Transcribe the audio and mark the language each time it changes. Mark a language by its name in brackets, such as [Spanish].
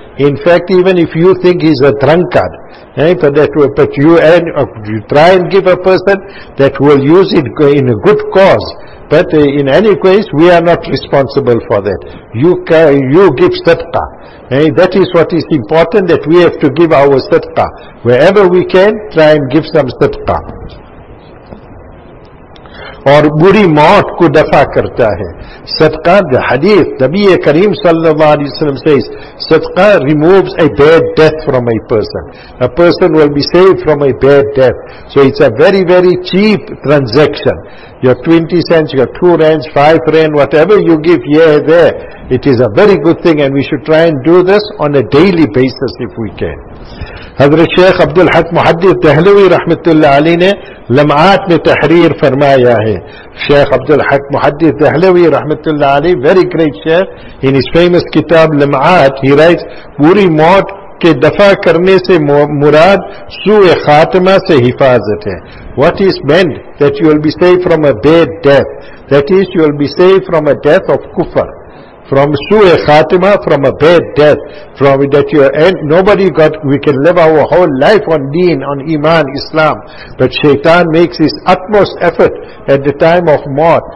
[English] In fact, even if you think he's a drunkard, you try and give a person that will use it in a good cause. But in any case, we are not responsible for that. You give sadaqah. That is what is important, that we have to give our sadaqah. Wherever we can, try and give some sadaqah. [Urdu] اور بری موت کو دفع کرتا ہے. [English] صدقہ, the حدیث نبی کریم صلی اللہ علیہ وسلم says صدقہ removes a bad death from a person will be saved from a bad death. So it's a very, very cheap transaction. Your 20 cents, your 2 rands, 5 rand, whatever you give here, there, it is a very good thing, and we should try and do this on a daily basis if we can. [Urdu] حضرت شیخ عبدالحق محدث دہلوی رحمت اللہ علیہ نے لمعات میں تحریر فرمایا ہے. شیخ عبدالحق محدث دہلوی رحمت اللہ علیہ, [English] very great [Urdu] Sheikh, [English] in his famous [Urdu] کتاب لمعات, [English] he writes, [Urdu] پوری موت کے دفع کرنے سے مراد سوء خاتمہ سے حفاظت ہے. [English] What is meant? That you will be saved from a bad death. That is, you will be saved from a death of kufr. From su'e khatima, from a bad death, from that you end, nobody got, we can live our whole life on deen, on iman, Islam, but shaitan makes his utmost effort at the time of mort.